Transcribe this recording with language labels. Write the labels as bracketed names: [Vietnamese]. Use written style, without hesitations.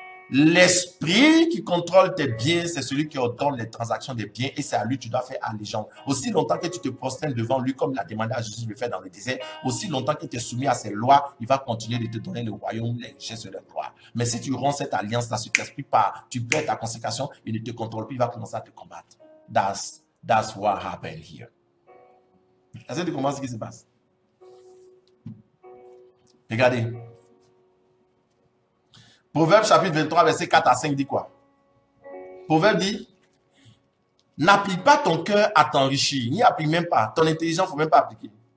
[French] L'esprit qui contrôle tes biens, c'est celui qui ordonne les transactions des biens et c'est à lui que tu dois faire allégeance. Aussi longtemps que tu te prosternes devant lui, comme il a demandé à Jésus de le faire dans le désert, aussi longtemps que tu es soumis à ses lois, il va continuer de te donner le royaume, les richesses et la gloire. Mais si tu romps cette alliance-là, cet esprit part, tu perds ta consécration, il ne te contrôle plus, il va commencer à te combattre. [English] That's what happened here. [French] Est-ce que tu comprends ce qui se passe? Regardez. Proverbe chapitre 23, verset 4 à 5 dit quoi? Proverbe dit, n'applique pas ton cœur à t'enrichir, n'y applique même pas, ton intelligence, il ne faut même pas appliquer.